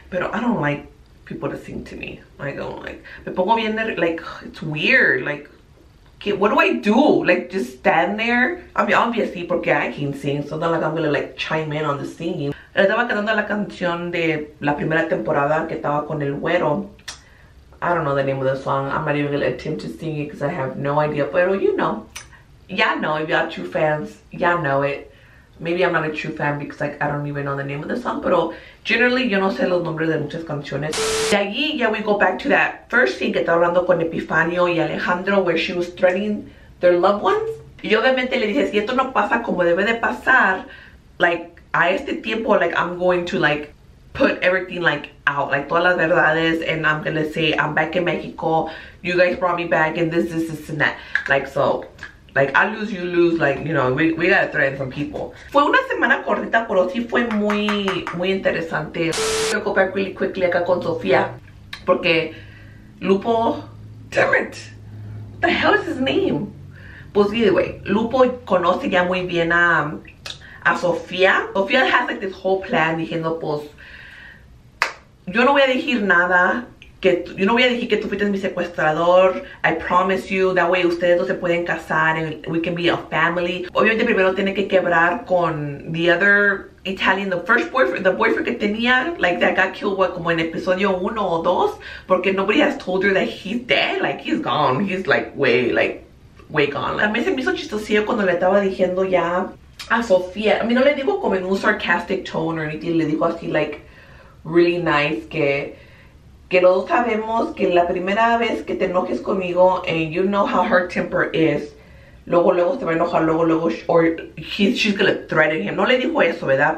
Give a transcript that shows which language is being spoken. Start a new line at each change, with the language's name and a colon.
English: Pero I don't like people to sing to me. I don't like.
Spanish: Me pongo bien nervioso.
English: Like, it's weird. Like, okay, what do I do? Like, just stand there? I mean, obviously, porque I can sing. So then, like, I'm gonna, like, chime in on the singing.
Spanish: Le estaba cantando la canción de la primera temporada que estaba con el güero.
English: I don't know the name of the song. I'm not even gonna attempt to sing it because I have no idea. Pero, you know. Y'all know. If y'all true fans, y'all know it. Maybe I'm not a true fan because like I don't even know the name of the song, pero generally
Spanish: yo no sé los nombres de muchas canciones. De allí,
English: yeah, we go back to that first scene
Spanish: que está hablando con Epifanio y Alejandro,
English: where she was threatening their loved ones.
Spanish: Y obviamente le dije, si esto no pasa como debe de pasar,
English: like a este tiempo, like I'm going to like put everything like out, like
Spanish: todas las verdades,
English: and I'm gonna say I'm back in Mexico, you guys brought me back, and this and that, like so. Like, I lose, you lose, like, you know, we gotta threaten some people.
Spanish: Fue una semana cortita, pero sí fue muy, muy interesante. Voy a copiar
English: really quickly
Spanish: acá con Sofía, porque
English: Lupo, damn it, what the hell is his name?
Spanish: Pues, either way, Lupo conoce ya muy bien a Sofía.
English: Sofía has, like, this whole plan,
Spanish: diciendo, pues, yo no voy a decir nada. Yo no voy a decir que tú fuiste mi secuestrador.
English: I promise you. That way
Spanish: ustedes dos se pueden casar.
English: And we can be a family.
Spanish: Obviamente primero tiene que quebrar con
English: the other Italian. The first boyfriend. The boyfriend
Spanish: que tenía.
English: Like that got killed what,
Spanish: como en episodio 1 o 2.
English: Porque nobody has told her that he's dead. Like he's gone. He's like way gone.
Spanish: También se me hizo chistosillo cuando le estaba diciendo ya a Sofía. A mí no le digo como en un
English: sarcastic tone or anything.
Spanish: Le digo así
English: like really nice
Spanish: que... Que los dos sabemos que la primera vez que te enojes conmigo,
English: and you know how her temper is,
Spanish: luego, luego se va a enojar, luego, luego,
English: or she's gonna threaten him.
Spanish: No le dijo eso, ¿verdad?